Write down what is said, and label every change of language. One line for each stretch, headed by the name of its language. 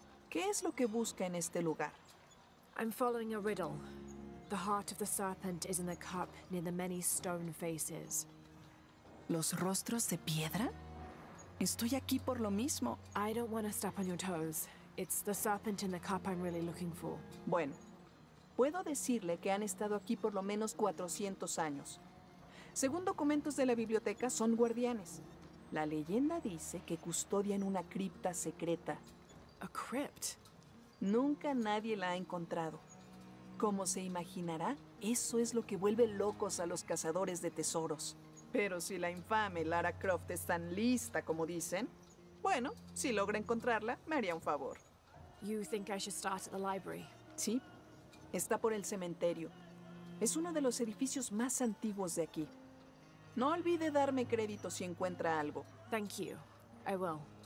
Spanish: ¿Qué es lo que busca en este lugar?
English: I'm following a riddle. The heart of the serpent is in the cup near the many stone faces.
Spanish: ¿Los rostros de piedra? Estoy aquí por lo mismo.
English: I don't want to step on your toes. It's the serpent in the cup I'm really looking for.
Spanish: Bueno, puedo decirle que han estado aquí por lo menos 400 años. Según documentos de la biblioteca, son guardianes. La leyenda dice que custodian una cripta secreta.
English: A crypt?
Spanish: Nunca nadie la ha encontrado. Como se imaginará, eso es lo que vuelve locos a los cazadores de tesoros. Pero si la infame Lara Croft es tan lista como dicen, bueno, si logra encontrarla, me haría un favor.
English: You think I should start at the library?
Spanish: Sí. Está por el cementerio. Es uno de los edificios más antiguos de aquí. No olvide darme crédito si encuentra algo.
English: Thank you. I will.